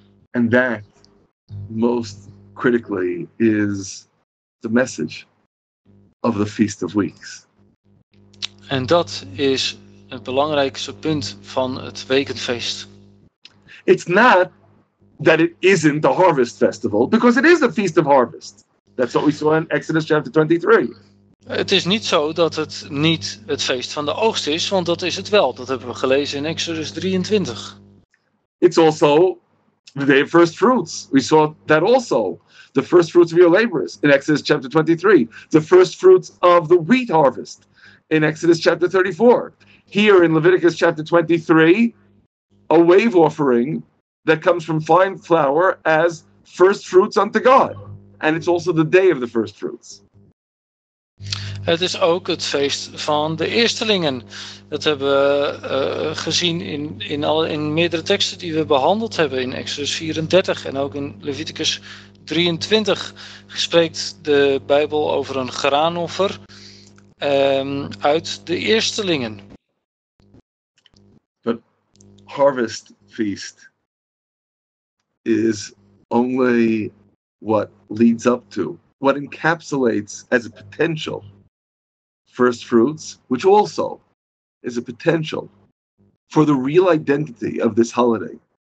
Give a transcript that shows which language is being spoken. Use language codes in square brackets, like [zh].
[nl] En dat, [en] most critically, is the message of the Feast of Weeks. [nl] En dat is het belangrijkste punt van het Wekenfeest. [en] It's not that it isn't the harvest festival, because it is the Feast of Harvest. That's what we saw in Exodus chapter 23. [nl] Het is niet zo dat het niet het feest van de oogst is, want dat is het wel. Dat hebben we gelezen in Exodus 23. [en] It's also the day of first fruits. We saw that also. The first fruits of your labors in Exodus chapter 23. The first fruits of the wheat harvest in Exodus chapter 34. Here in Leviticus chapter 23, a wave offering that comes from fine flour as first fruits unto God. And it's also the day of the first fruits. [nl] Het is ook het feest van de eerstelingen. Dat hebben we gezien in meerdere teksten die we behandeld hebben in Exodus 34 en ook in Leviticus 23 spreekt de Bijbel over een graanoffer uit de eerstelingen. [en] But harvest feast is only what leads up to, what encapsulates as a potential first fruits, which also is a potential for the real identity of this holiday,